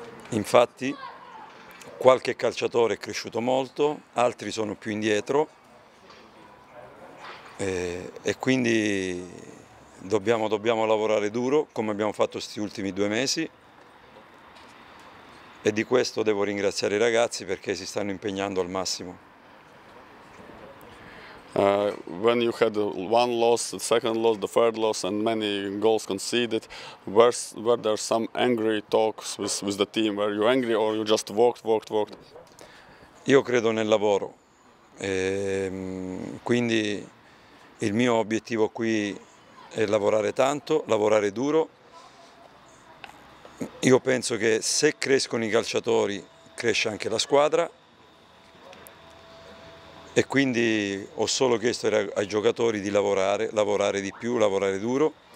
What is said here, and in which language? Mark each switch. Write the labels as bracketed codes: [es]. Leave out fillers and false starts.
[it] Infatti qualche calciatore è cresciuto molto, altri sono più indietro, e quindi dobbiamo lavorare duro come abbiamo fatto questi ultimi due mesi, e di questo devo ringraziare i ragazzi perché si stanno impegnando al massimo. [en] When you had one loss, the second loss, the third loss and many goals conceded, were there some angry talks with the team? Were you angry or you just worked? [it] Io credo nel lavoro, quindi il mio obiettivo qui è lavorare tanto, lavorare duro. Io penso che se crescono i calciatori cresce anche la squadra, e quindi ho solo chiesto ai giocatori di lavorare di più, lavorare duro.